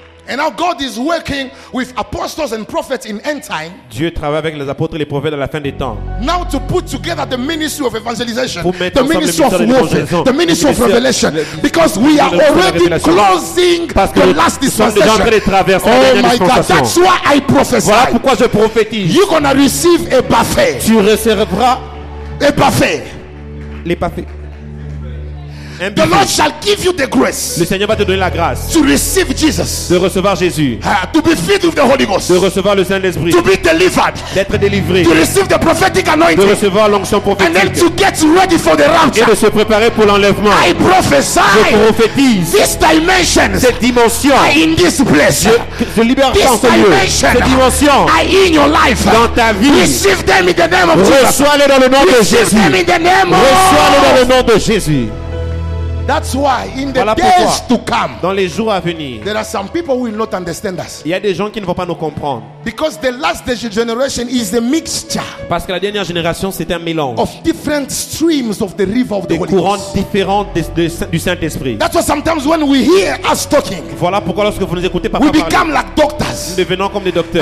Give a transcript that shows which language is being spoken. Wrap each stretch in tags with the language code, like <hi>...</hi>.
<en>And now God is working with apostles and prophets in end time.</en> <fr>Dieu travaille avec les apôtres et les prophètes à la fin des temps.</fr> <en>Now to put together the ministry of evangelization,</en> <fr>pour mettre</fr> <en>the ministry of warfare, the ministry of revelation, because we are already closing the last dispensation.</en> <fr>Parce que nous</fr> <en>oh my God, that's why I prophesy.</en> <fr>Voilà pourquoi je prophétise.</fr> <en>You're gonna receive a buffet.</en> <fr>Tu recevras</fr> <en>a buffet.</en> <fr>Les buffets.</fr> <en>The Lord shall give you the grace.</en> <fr>Le Seigneur va te donner la grâce.</fr> <en>To receive Jesus.</en> <fr>De recevoir Jésus.</fr> <en>To be filled with the Holy Ghost.</en> <fr>De recevoir le Saint-Esprit.</fr> <en>To be delivered.</en> <fr>D'être délivré.</fr> <en>To receive the prophetic anointing.</en> <fr>De recevoir l'onction prophétique.</fr> <en>And then to get ready for the rapture.</en> <fr>Et de se préparer pour l'enlèvement.</fr> <en>I prophesy.</en> <fr>Je prophétise.</fr> <en>This dimension.</en> <fr>Cette dimension.</fr> <en>In this place.</en> <fr>Je libère</fr> <en>this</en> <fr>en ce lieu. Cette dimension.</fr> <en>In your life.</en> <fr>Dans ta vie.</fr> <en>Receive them in the name of</en> <fr>Jesus. Reçois-les dans le nom</fr> <en>receive</en> <fr>de Jésus.</fr> <en>Them in the name of...</en> <fr>Reçois-les dans le nom de Jésus.</fr> <en>That's why in the days to come,</en> <fr>dans les jours à venir,</fr> <en>there are some people who will not understand us.</en> <fr>Il y a des gens qui ne vont pas nous comprendre.</fr> <en>Because the last generation is a mixture.</en> <fr>Parce que la dernière génération c'est un mélange.</fr> <en>Of different streams of the river of the Holy Ghost.</en> <fr>Des courants différents du Saint-Esprit.</fr> <en>That's why sometimes when we hear us talking,</en> <fr>voilà pourquoi lorsque vous nous écoutez,</fr> <en>we become like doctors.</en> <fr>Nous devenons comme des docteurs.</fr>